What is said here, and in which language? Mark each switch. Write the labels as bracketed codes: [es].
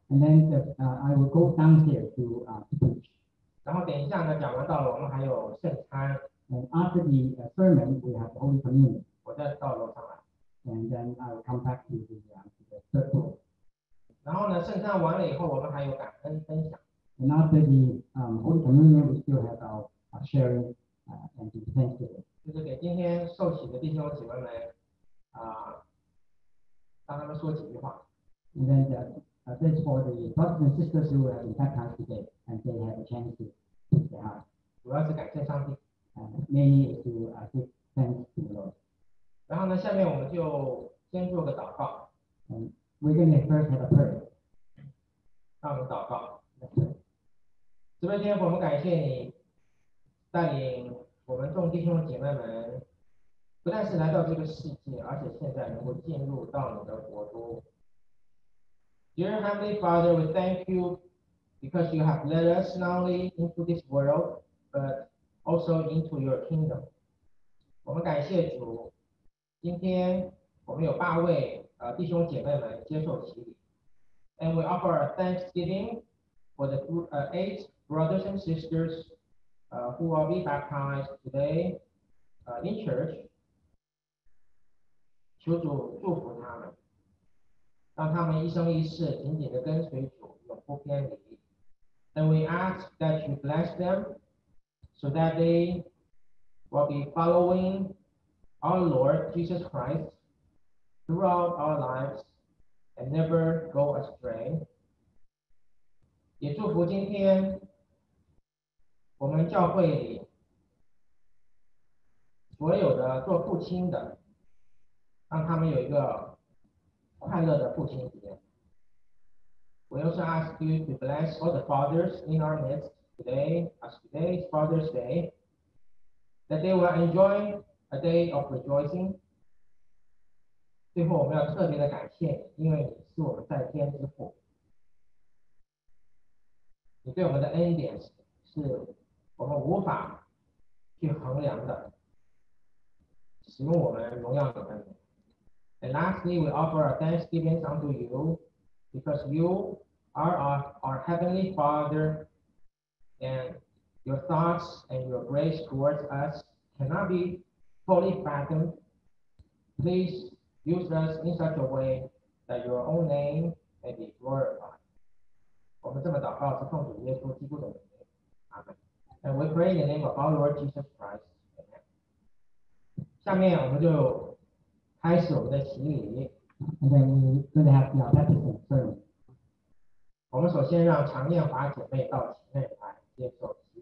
[en] And then I will go downstairs to preach. [zh] 然后等一下呢，讲完道了，我们还有圣餐。 [en] And after the sermon, we have Holy Communion. [zh] 我再到楼上来。 [en] And then I will come back to the third floor. [zh] 然后呢，圣餐完了以后，我们还有感恩分享。 [en] And after the Holy Communion, we still have our sharing. And thank you. [zh] 就是给今天受洗的弟兄姐妹们，让他们说几句话。 [en] And then that's for the brothers and sisters who have been baptized today, and they have a chance to speak their heart. [zh] 主要是感谢上帝。 [en] Mainly to give thanks to the Lord. [zh] 然后呢，下面我们就先做个祷告。 [en] And we're going to first have a prayer. [zh] 让我们祷告。慈悲天父，我们感谢你。带领我们众弟兄姐妹们，不但是来到这个世界，而且现在能够进入到你的国度。 [en] Dear Heavenly Father, we thank you because you have led us not only into this world, but also into your kingdom. [zh] 我们感谢主，今天我们有8位弟兄姐妹们接受洗礼。 [en] And we offer our thanksgiving for the 8 brothers and sisters. Who will be baptized today in church. [zh] 求主祝福他们，让他们一生一世紧紧地跟随主，永不偏离。 [en] And we ask that you bless them so that they will be following our Lord Jesus Christ throughout our lives and never go astray. [zh] 也祝福今天我们教会里所有的做父亲的，让他们有一个快乐的父亲节。 [en] We also ask you to bless all the fathers in our midst today, as today is Father's Day, that they will enjoy a day of rejoicing. [zh] 最后，我们要特别的感谢你，因为你是我们在天之父，你对我们的恩典是我们无法去衡量的，使用我们荣耀的恩典。 [en] And lastly, we offer our thanksgiving unto you because you are our Heavenly Father, and your thoughts and your grace towards us cannot be fully fathomed. Please use us in such a way that your own name may be glorified. [zh] 我们这么祷告是奉主耶稣基督的名。 [en] Amen. And we pray in the name of our Lord Jesus Christ. Amen. [zh] 下面我们就开始我们的洗礼。 [en] And then we're going to have our baptism service. [zh] 我们首先让常艳华姐妹到前面来接受。